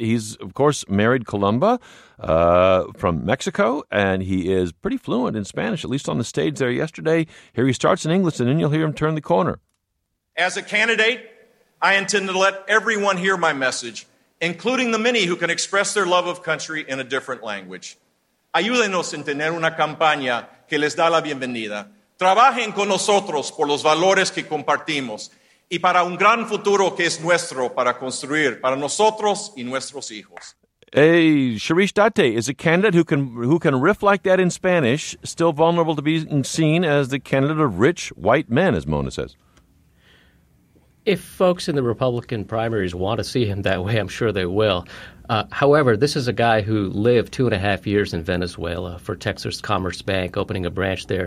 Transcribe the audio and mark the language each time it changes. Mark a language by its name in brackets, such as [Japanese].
[English] He's, of course, married Columba from Mexico, and he is pretty fluent in Spanish, at least on the stage there yesterday. Here he starts in English, and then you'll hear him turn the corner. As a candidate, I intend to let everyone hear my message, including the many who can express their love of country in a different language. [Spanish] Ayúdenos en tener una campaña que les da la bienvenida. Trabajen con nosotros por los valores que compartimos y para un gran futuro que es nuestro para construir para nosotros y nuestros hijos. [English] Hey, Shirish Date is a candidate who can riff like that in Spanish, still vulnerable to being seen as the candidate of rich white men, as Mona says. If folks in the Republican primaries want to see him that way, I'm sure they will. However, this is a guy who lived 2.5 years in Venezuela for Texas Commerce Bank, opening a branch there.